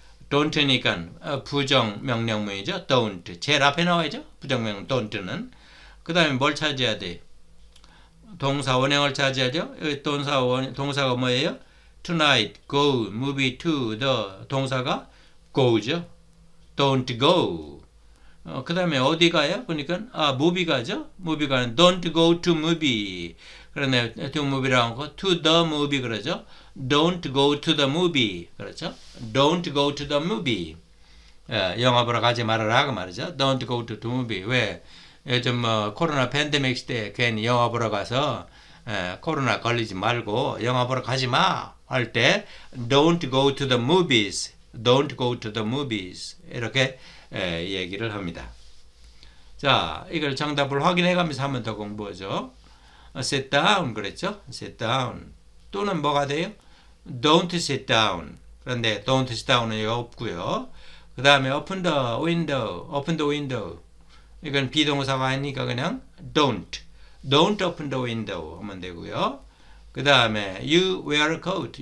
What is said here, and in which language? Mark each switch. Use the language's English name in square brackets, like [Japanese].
[Korean] don't니까 부정 명령문이죠. don't 제일 앞에 나와야죠. 부정명 don't는 그 다음에 뭘 찾아야 돼? 동사 원형을 찾아야죠. 동사가 뭐예요? [English] tonight, go, movie, to, the [Korean] 동사가 go죠. [English] don't go. [Korean] 그 다음에 어디 가요? 보니까 movie 가죠. [English] movie 가는 don't go to movie. 그러네 to movie라고 하고 to the movie 그러죠. don't go to the movie. 그렇죠. don't go to the movie. [Korean] 영화 보러 가지 말아라 그 말이죠. [English] don't go to the movie. 왜? [Korean] 요즘 뭐 코로나 팬데믹 시대에 괜히 영화 보러 가서 코로나 걸리지 말고 영화 보러 가지 마 할 때 [English] don't go to the movies. don't go to the movies [Korean] 이렇게 얘기를 합니다. 자, 이걸 정답을 확인해 가면서 한번 더 공부하죠. [English] sit down 그랬죠? sit down. [Korean] 또는 뭐가 돼요? [English] don't sit down. [Korean] 그런데 don't sit down은 여기 없고요. [English] 그다음에 open the window. open the window. [Korean] 이건 비동사가 아니니까 그냥 don't. [English] don't open the window [Korean] 하면 되고요. 그 다음에 [English] you wear a coat.